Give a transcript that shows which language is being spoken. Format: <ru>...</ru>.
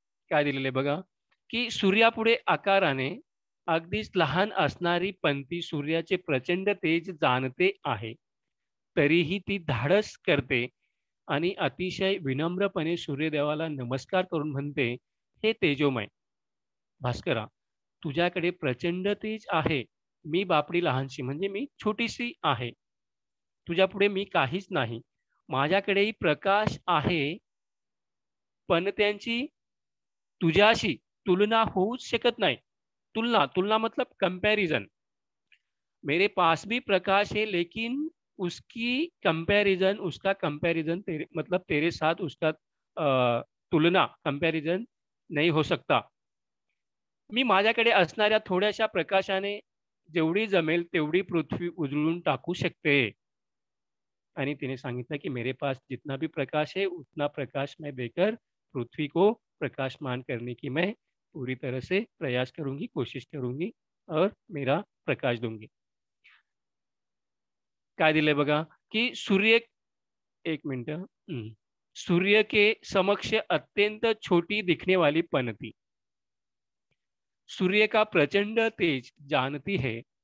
<mr>काय दिलेले बघा, की सूर्यापुढे आकाराने अगदीच लहान असणारी पंती सूर्याचे प्रचंड तेज जाणते आहे, तरीही ती धाडस करते आणि अतिशय विनम्रपणे सूर्यदेवाला नमस्कार करून म्हणते, हे तेजोमय भास्करा, तुझ्याकडे प्रचंड तेज आहे, मी बापडी लहानशी म्हणजे मी छोटीशी आहे, तुझ्यापुढे मी काहीच नाही, माझ्याकडेही प्रकाश आहे पण त्यांची तुझ्याशी तुलना होऊच शकत नाही.</mr> <hi>तुलना, तुलना मतलब कंपॅरिझन. मेरे पास भी प्रकाश है लेकिन उसकी कंपॅरिझन, उसका कंपॅरिझन तेरे मतलब तेरे साथ उसका तुलना कंपॅरिझन नहीं हो सकता.</hi> <mr>मी माझ्याकडे असणाऱ्या थोड्याशा प्रकाशाने जेवढी जमेल तेवढी पृथ्वी उजळून टाकू शकते. आणि तिने सांगितलं की</mr> <hi>मेरे पास जितना भी प्रकाश है उतना प्रकाश मैं देकर पृथ्वी को प्रकाशमान करने की मैं पूरी तरह से प्रयास करूंगी, कोशिश करूंगी और मेरा प्रकाश दूंगी.</hi> <mr>काय दिले बघा,</mr> <hi>की सूर्य, एक मिनट, सूर्य के समक्ष अत्यंत छोटी दिखने वाली पनती, सूर्य का प्रचंड तेज जानती है</hi>